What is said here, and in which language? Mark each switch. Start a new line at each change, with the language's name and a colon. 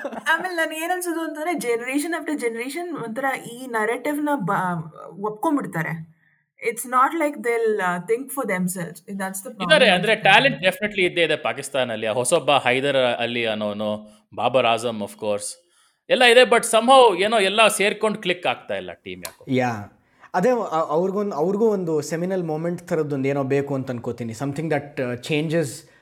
Kannada: ಆಮೇಲೆ ನಾನು ಏನನ್ಸೋದು ಅಂತಂದ್ರೆ ಜನರೇಷನ್ ಆಫ್ಟರ್ ಜನರೇಷನ್ ಒಂಥರ ಈ ನರೇಟಿವ್ನ ಒಪ್ಕೊಂಡ್ಬಿಡ್ತಾರೆ.
English: It's not like they'll think for themselves. That's the problem.
Kannada: ಇದರೆ ಅಂದ್ರೆ ಟ್ಯಾಲೆಂಟ್ ಡೆಫಿನೆಟ್ಲಿ ಇದೇ ಇದೆ ಪಾಕಿಸ್ತಾನ ಅಲ್ಲಿ. ಹೊಸೊಬ್ಬ ಹೈದರ್ ಅಲಿ ಅನ್ನೋನು, ಬಾಬರ್ ಆಜಮ್ ಆಫ್ ಕೋರ್ಸ್ ಎಲ್ಲ ಇದೆ. ಬಟ್ ಸಮ್ಹೌ ಏನೋ ಎಲ್ಲ ಸೇರ್ಕೊಂಡು ಕ್ಲಿಕ್ ಆಗ್ತಾ ಇಲ್ಲ ಟೀಮ್ ಯಾಕೋ. ಯಾ ಅದೇ ಅವ್ರಿಗೊಂದು ಒಂದು ಸೆಮಿನಲ್ ಮೂಮೆಂಟ್ ಥರದ್ದು ಒಂದು ಏನೋ ಬೇಕು ಅಂತ ಅನ್ಕೋತೀನಿ.
English: something that changes